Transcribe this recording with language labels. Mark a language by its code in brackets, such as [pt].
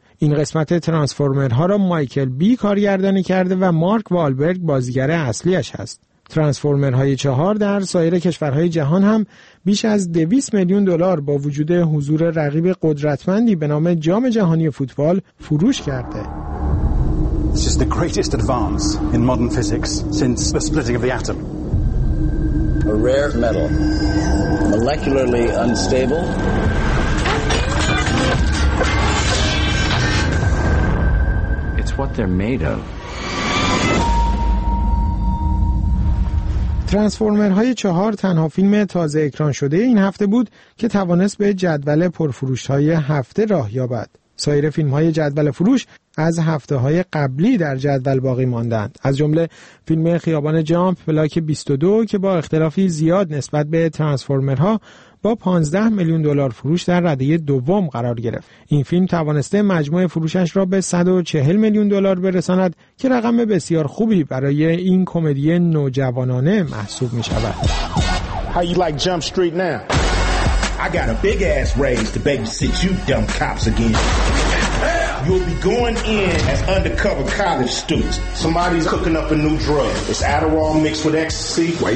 [fa] این قسمت ترانسفورمرها را مایکل بی کارگردانی کرده و مارک والبرگ بازیگر اصلیش است. ترانسفورمرهای 4 در سایر کشورهای جهان هم بیش از 200 میلیون دلار با وجود حضور رقیب قدرتمندی به نام جام جهانی فوتبال فروش کرده. [en] This is the greatest advance in modern physics since the splitting of the atom. A rare metal, molecularly unstable. It's what they're made of. [fa] ترانسفورمرهای 4 تنها فیلم تازه اکران شده این هفته بود که توانست به جدول پرفروش‌های هفته راه یابد. سایر فیلم‌های جدول فروش از هفته‌های قبلی در جدول باقی ماندند. از جمله فیلم خیابان جامپ بلاک 22 که با اختلافی زیاد نسبت به ترانسفورمرها با 15 میلیون دلار فروش در رده دوم قرار گرفت. این فیلم توانسته مجموع فروشش را به 140 میلیون دلار برساند که رقم بسیار خوبی برای این کمدی نوجوانانه محسوب می شود. [en] How you like Jump Street now? I got a big ass raise to babysit you dumb cops again. You'll be going in as undercover college students. Somebody's cooking up a new drug. It's Adderall mixed with ecstasy.